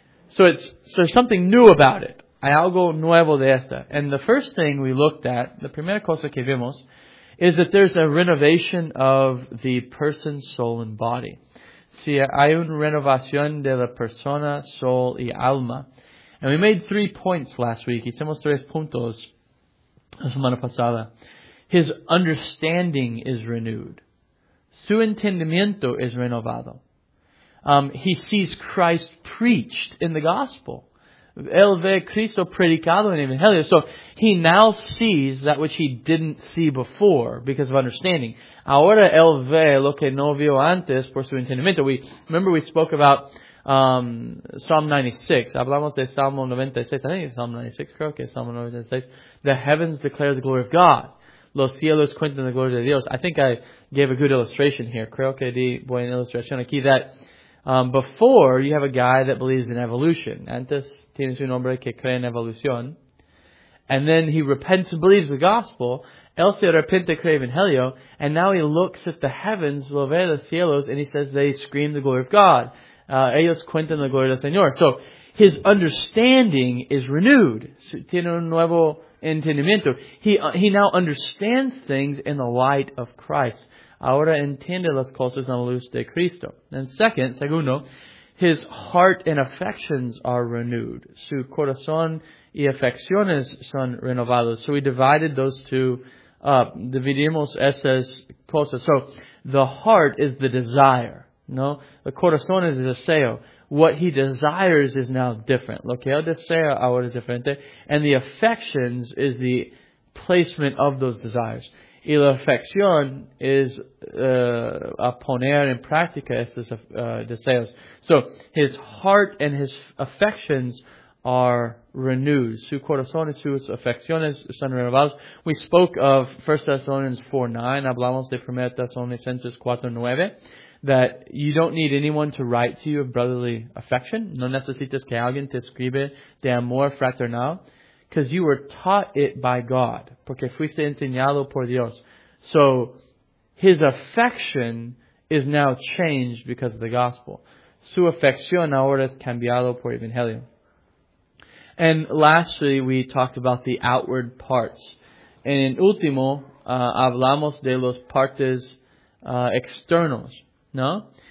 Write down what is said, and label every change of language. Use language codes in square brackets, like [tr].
[en] So it's, so there's something new about it. [es] Hay algo nuevo de esta. [en] And the first thing we looked at, [es] la primera cosa que vimos, [en] is that there's a renovation of the person, soul, and body. [es] Si hay una renovación de la persona, soul, y alma. [en] And we made 3 points last week. [es] Hicimos 3 puntos la semana pasada. [en] His understanding is renewed. [es] Su entendimiento es renovado. [en] He sees Christ preached in the gospel. [es] Él ve Cristo predicado en el Evangelio. [en] So he now sees that which he didn't see before because of understanding. [es] Ahora él ve lo que no vio antes por su entendimiento. [en] Remember we spoke about Psalm 96. [es] Hablamos de Salmo 96. [en] I think it's Psalm 96, [es] creo que es Psalm 96. [en] The heavens declare the glory of God. [es] Los cielos cuentan la gloria de Dios. [en] I think I gave a good illustration here. [es] Creo que di buena ilustración aquí [en] that before, you have a guy that believes in evolution. [es] Antes, tienes un hombre que cree en evolución. [en] And then he repents and believes the gospel. [es] Él se arrepiente, cree evangelio. [en] And now he looks at the heavens, [es] lo ve los cielos, [en] and he says they scream the glory of God. [es] Ellos cuentan la gloria del Señor. [en] So, his understanding is renewed. [es] Tiene un nuevo entendimiento. [en] He now understands things in the light of Christ. [es] Ahora entiende las cosas en la luz de Cristo. [en] And segundo, his heart and affections are renewed. [es] Su corazón y afecciones son renovados. [en] So we divided those two up. [es] Dividimos esas cosas. [en] So the heart is the desire. [es] No, el corazón es el deseo. [en] What he desires is now different. [es] Lo que él desea ahora es diferente. [en] And the affections is the placement of those desires. [es] Y la afección es a poner en práctica estos deseos. [en] So, his heart and his affections are renewed. [es] Su corazón y sus afecciones están renovados. [en] We spoke of 1 Thessalonians 4:9. [es] Hablamos de 1 Thessalonians 4:9. [en] That you don't need anyone to write to you of brotherly affection. [es] No necesitas que alguien te escriba de amor fraternal. [en] Because you were taught it by God. [es] Porque fuiste enseñado por Dios. [en] So, his affection is now changed because of the gospel. [es] Su afección ahora es cambiado por el evangelio. [en] And lastly, we talked about the outward parts. [es] And en último, hablamos de los partes externos. No?